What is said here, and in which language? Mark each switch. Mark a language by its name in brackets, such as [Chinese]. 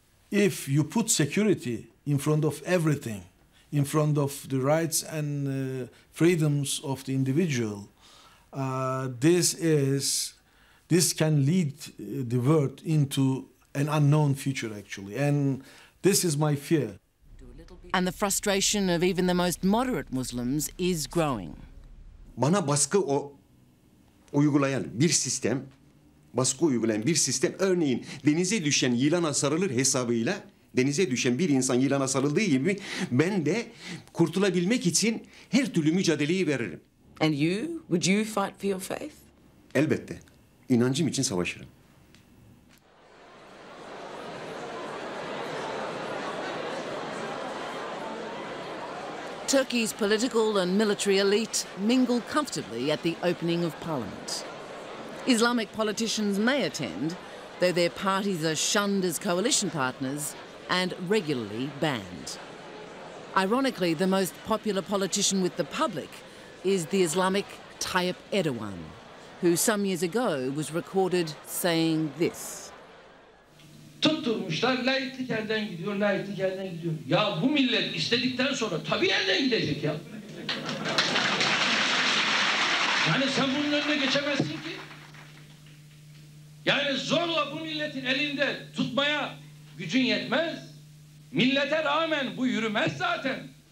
[English] If you put security in front of everything, in front of the rights and freedoms of the individual, this can lead the world into an unknown future, actually. And this is my fear. And the frustration of even the most moderate Muslims is growing. [Turkish] Bana baskı uygulayan bir sistem, baskı uygulayan bir sistem, örneğin denize düşen yılana sarılır hesabıyla, denize düşen bir insan yılana sarıldığı gibi ben de kurtulabilmek için her türlü mücadeleyi veririm. [English] And you, would you fight for your faith? [Turkish] Elbette. İnancım için savaşırım. [English] Turkey's political and military elite mingle comfortably at the opening of parliament. Islamic politicians may attend, though their parties are shunned as coalition partners and regularly banned. Ironically, the most popular politician with the public is the Islamic Tayyip Erdogan, who some years ago was recorded saying this. [Turkish] Tutturmuşlar, laiklik elden gidiyor, laiklik elden gidiyor. Ya bu millet istedikten sonra tabii elden gidecek ya. Yani sen bunun önüne geçemezsin ki. Yani zorla bu milletin elinde tutmaya gücün yetmez. Millete rağmen bu yürümez zaten.